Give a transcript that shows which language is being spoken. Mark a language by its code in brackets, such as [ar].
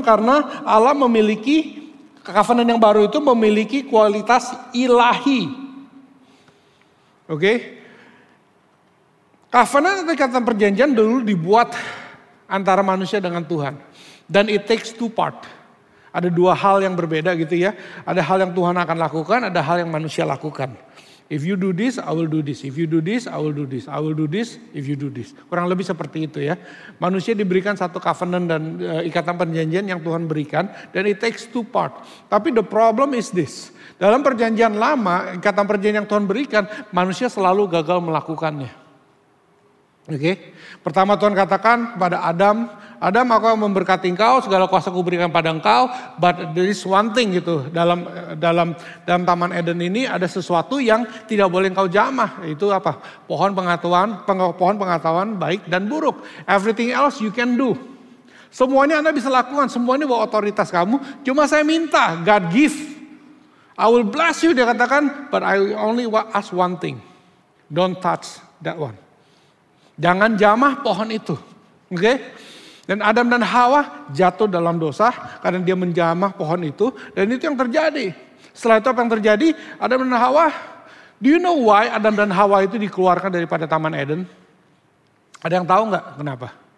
[id] Karena Allah memiliki covenant yang baru itu memiliki kualitas ilahi. Oke. Okay? Covenant itu kata perjanjian dulu dibuat antara manusia dengan Tuhan. Dan [en] it takes two part. [id] Ada dua hal yang berbeda gitu ya. Ada hal yang Tuhan akan lakukan. Ada hal yang manusia lakukan. [en] If you do this, I will do this. If you do this, I will do this. I will do this if you do this. [id] Kurang lebih seperti itu ya. Manusia diberikan satu covenant dan ikatan perjanjian yang Tuhan berikan. [en] Dan it takes two part. Tapi the problem is this. [id] Dalam perjanjian lama, ikatan perjanjian yang Tuhan berikan, manusia selalu gagal melakukannya. Oke. Okay? Pertama Tuhan katakan pada Adam, Adam aku akan memberkati engkau, segala kuasa ku berikan pada engkau, [en] but there is one thing [id] gitu, dalam Taman Eden ini ada sesuatu yang tidak boleh engkau jamah, itu apa? Pohon pengetahuan baik dan buruk. [en] Everything else you can do. [id] Semuanya Anda bisa lakukan, semuanya bawa otoritas kamu, cuma saya minta, [en] God give. I will bless you, [id] dia katakan, [en] but I only ask one thing, don't touch that one. [id] Jangan jamah pohon itu. Oke? Okay? Dan Adam dan Hawa jatuh dalam dosa karena dia menjamah pohon itu. Dan itu yang terjadi. Setelah itu apa yang terjadi? Adam dan Hawa, [en] do you know why [id] Adam dan Hawa itu dikeluarkan daripada Taman Eden? Ada yang tahu gak kenapa?